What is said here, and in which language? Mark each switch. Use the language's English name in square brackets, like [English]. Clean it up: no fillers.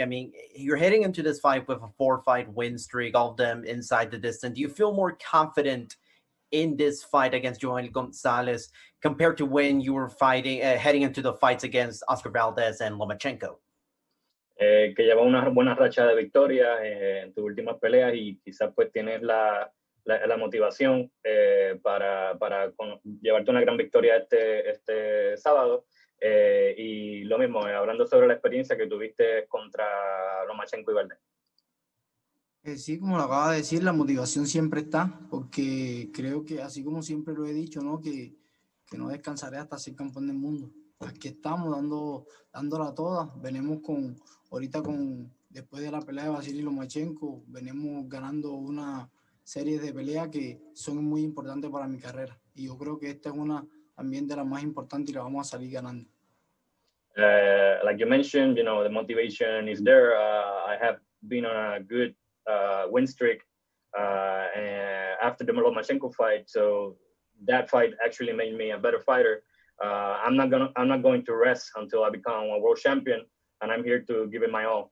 [English] I mean, you're heading into this fight with a 4-fight win streak, all of them inside the distance. Do you feel more confident in this fight against Joel Gonzalez compared to when you were fighting, heading into the fights against Oscar Valdez and Lomachenko? [Spanish] Que lleva una buena racha de victoria en tus últimas peleas y quizás pues tienes la motivación para llevarte una gran victoria este sábado. Y lo mismo, hablando sobre la experiencia que tuviste contra Lomachenko y Valdez. Sí, como lo acaba de decir, la motivación siempre está, porque creo que, así como siempre lo he dicho, ¿no? Que no descansaré hasta ser campeón del mundo. Aquí estamos dándola toda. Venimos ahorita después de la pelea de Vasily Lomachenko, venimos ganando una serie de peleas que son muy importantes para mi carrera. Y yo creo que esta es una también de las más importantes y la vamos a salir ganando. [English] Like you mentioned, you know, the motivation is there. I have been on a good win streak after the Lomachenko fight, so that fight actually made me a better fighter. I'm not going to rest until I become a world champion, and I'm here to give it my all.